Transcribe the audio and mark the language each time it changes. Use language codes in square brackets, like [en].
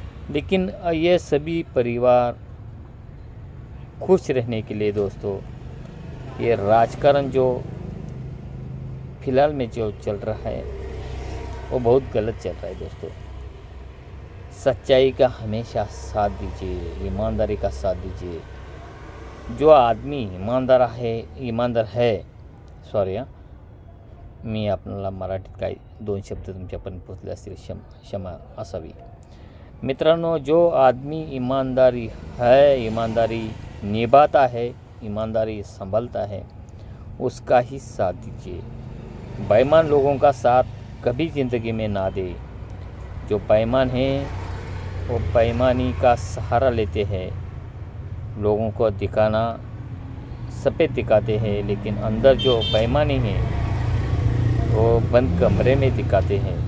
[hi] लेकिन ये सभी परिवार खुश रहने के लिए दोस्तों, ये राजकारण जो फिलहाल में जो चल रहा है वो बहुत गलत चल रहा है दोस्तों। सच्चाई का हमेशा साथ दीजिए, ईमानदारी का साथ दीजिए। जो आदमी ईमानदार है, ईमानदार है, सॉरी हाँ, [mr] मी आपल्याला मराठीत काय दोन शब्द तुमच्यापर्यंत पोचले असतील, क्षमा असावी। [hi] मित्रांनो, जो आदमी ईमानदारी है, ईमानदारी निभाता है, ईमानदारी संभालता है, उसका ही साथ दीजिए। बेईमान लोगों का साथ कभी ज़िंदगी में ना दे। जो बेईमान है वो बेईमानी का सहारा लेते हैं, लोगों को दिखाना सफ़ेद दिखाते हैं, लेकिन अंदर जो बेईमानी है वो बंद कमरे में दिखाते हैं।